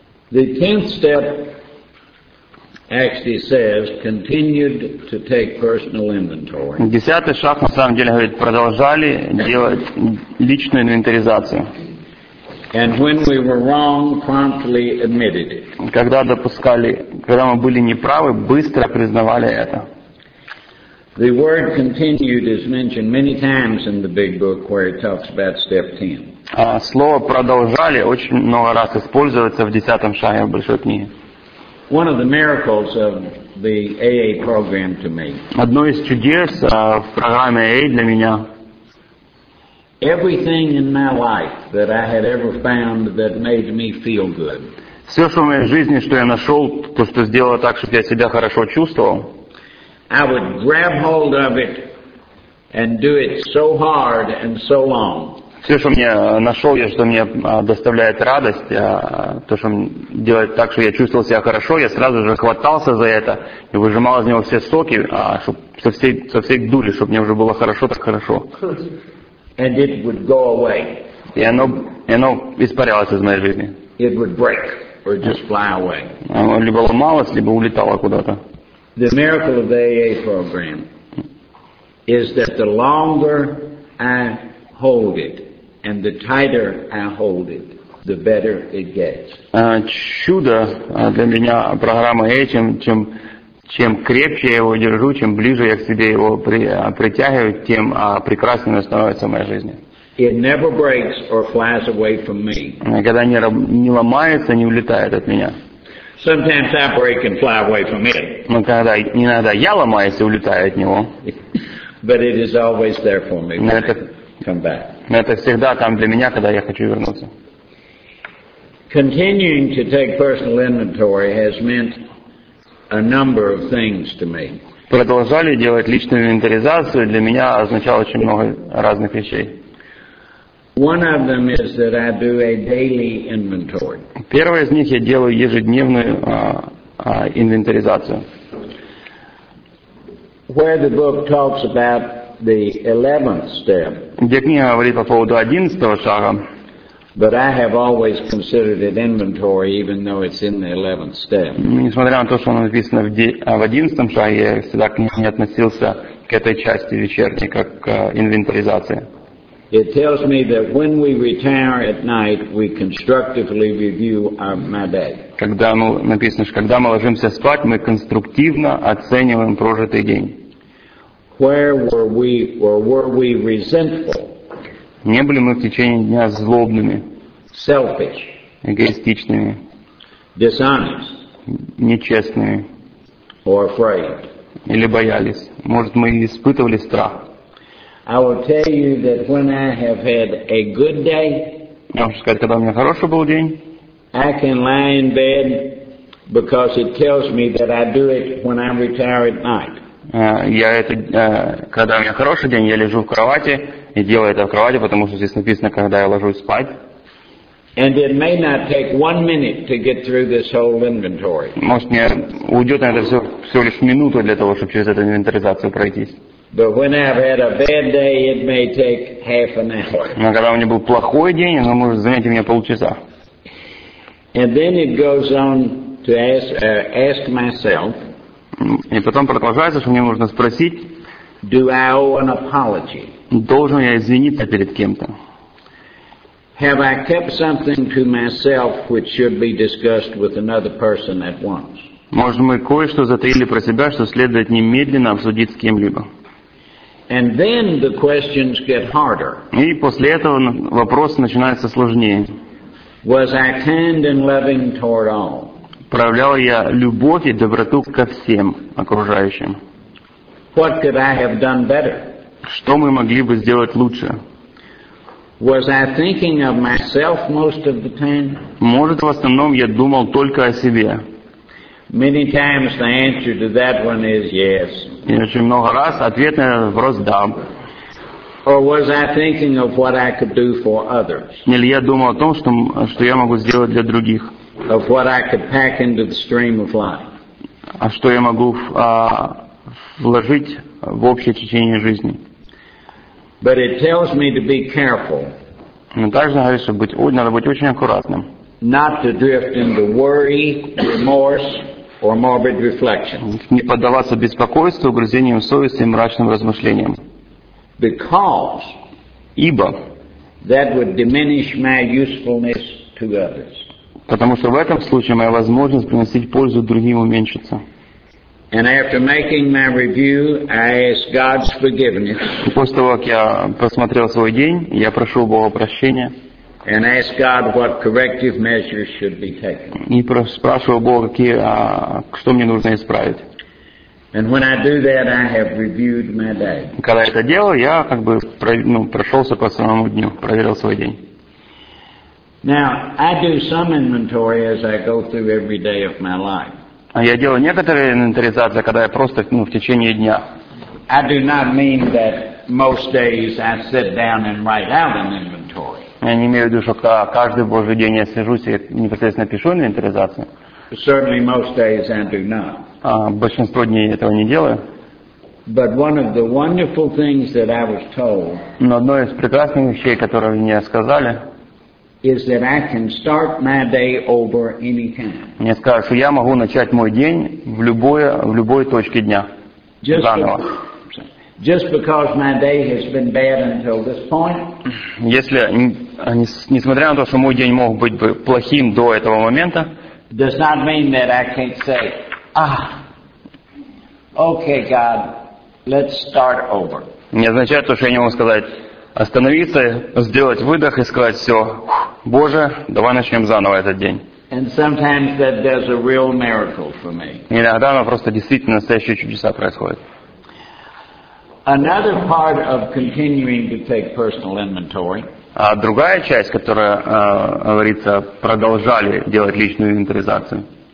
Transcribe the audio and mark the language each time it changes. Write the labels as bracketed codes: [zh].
[en] The tenth step actually says continued to take personal inventory. [ru] Десятый шаг на самом деле говорит продолжали делать личную инвентаризацию. [en] And when we were wrong, promptly admitted it. [ru] Когда допускали, когда мы были неправы, быстро признавали это. [en] The word continued is mentioned many times in the big book where it talks about step 10. [ru] А слово продолжали очень много раз используется в десятом шаге в большой книге. [en] One of the miracles of the AA program to me. [ru] Одно из чудес в программе AA для меня. [en] Everything in my life that I had ever found that made me feel good. [ru] Все, что в моей жизни, что я нашел, то, что сделало так, чтобы я себя хорошо чувствовал. [en] I would grab hold of it and do it so hard and so long. [ru] Все, что мне нашел, я, что мне доставляет радость, то, что делает так, что я чувствовал себя хорошо, я сразу же хватался за это и выжимал из него все соки, со всей дури, чтобы мне уже было хорошо, так хорошо. [en] And it would go away. [ru] И оно испарялось из моей жизни. [en] It would break or just fly away. [ru] Оно либо ломалось, либо улетало куда-то. [en] The miracle of the AA program is that the longer I hold it and the tighter I hold it, the better it gets. [ru] Чудо для меня программа AA, чем крепче я его держу, чем ближе я к себе его притягиваю, тем прекраснее становится моя жизнь. [en] It never breaks or flies away from me. [ru] Никогда не ломается, не улетает от меня. [en] Sometimes I break and fly away from it. [ru] Но когда иногда я ломаюсь и улетаю от него. [en] But it is always there for me. When I come back. [ru] Это всегда там для меня, когда я хочу вернуться. [en] Continuing to take personal inventory has meant a number of things to me. [ru] Продолжали делать личную инвентаризацию для меня означало очень много разных вещей. [en] One of them is that I do a daily inventory. [ru] Первое из них я делаю ежедневную инвентаризацию. [en] Where the book talks about the 11th step. [ru] Где книга говорит по поводу 11-го шага. [en] But I have always considered it inventory, even though it's in the 11th step. [ru] Несмотря на то, что оно написано в 11-м шаге, я всегда к нему не относился к этой части вечерней как к инвентаризации. [en] It tells me that when we retire at night, we constructively review my day. [ru] Когда мы написано, что когда мы ложимся спать, мы конструктивно оцениваем прожитый день. [en] Where were we, or were we resentful? [ru] Не были мы в течение дня злобными, [en] selfish, [ru] эгоистичными, [en] dishonest, [ru] нечестными, [en] or afraid, [ru] или боялись. Может, мы испытывали страх. [en] I will tell you that when I have had a good day, [ru] я хочу сказать, когда у меня хороший был день, [en] I can lie in bed because it tells me that I do it when I retire at night. [ru] Я это, когда у меня хороший день, я лежу в кровати и делаю это в кровати, потому что здесь написано, когда я ложусь спать. [en] And it may not take 1 minute to get through this whole inventory. [ru] Может, мне уйдет на это всего лишь минуту для того, чтобы через эту инвентаризацию пройтись. [en] But when I've had a bad day, it may take half an hour. [ru] Но когда у меня был плохой день, оно может занять у меня полчаса. [en] And then it goes on to ask myself. [ru] И потом продолжается, что мне нужно спросить. [en] Do I owe an apology? [ru] Должен я извиниться перед кем-то? [en] Have I kept something to myself which should be discussed with another person at once? [ru] Может, мы кое-что затаили про себя, что следует немедленно обсудить с кем-либо? [en] And then the questions get harder. [ru] И после этого вопросы начинаются сложнее. [en] Was I kind and loving toward all? [ru] Проявлял я любовь и доброту ко всем окружающим? [en] What could I have done better? [ru] Что мы могли бы сделать лучше? [en] Was I thinking of myself most of the time? [ru] Может, в основном я думал только о себе? [en] Many times the answer to that one is yes. [ru] И очень много раз ответ на этот вопрос да. [en] Or was I thinking of what I could do for others? [ru] Или я думал о том, что я могу сделать для других? [en] Of what I could pack into the stream of life? [ru] А что я могу вложить в общее течение жизни? [en] But it tells me to be careful. [ru] Но также говорит, что надо быть очень аккуратным. [en] Not to drift into worry, remorse. Or morbid reflections. [ru] Не поддаваться беспокойству, угрызениям совести и мрачным размышлениям. [en] Because. [ru] Ибо. [en] That would diminish my usefulness to others. [ru] Потому что в этом случае моя возможность приносить пользу другим уменьшится. [en] And after making my review, I ask God's forgiveness. [ru] И после того, как я посмотрел свой день, я прошу Бога прощения. [en] And ask God what corrective measures should be taken. [ru] И спрашиваю Бога, что мне нужно исправить. [en] And when I do that, I have reviewed my day. [ru] Когда я это делал, я прошелся по самому дню, проверил свой день. [en] Now I do some inventory as I go through every day of my life. [ru] А я делаю некоторые инвентаризации, когда я просто в течение дня. [en] I do not mean that most days I sit down and write out an inventory. [ru] Я не имею в виду, что каждый Божий день я сижусь и непосредственно пишу инвентаризацию. [en] Certainly most days I do not. [ru] А большинство дней этого не делаю. [en] But one of the wonderful things that I was told. [ru] Но одно из прекрасных вещей, которые мне сказали, [en] is that I can start my day over any time. [ru] Мне сказали, что я могу начать мой день в любой точке дня. Заново. [en] Just because my day has been bad until this point. [ru] Если несмотря на то, что мой день мог быть бы плохим до этого момента, [en] does not mean that I can't say, okay, God, let's start over. [ru] Не означает то, что я не могу сказать остановиться, сделать выдох и сказать все, Боже, давай начнем заново этот день. [en] And sometimes that does a real miracle for me. [ru] Иногда оно просто действительно настоящие чудеса происходят. [en] Another part of continuing to take personal inventory. [ru] А другая часть, которая говорится, продолжали делать личную инвентаризацию.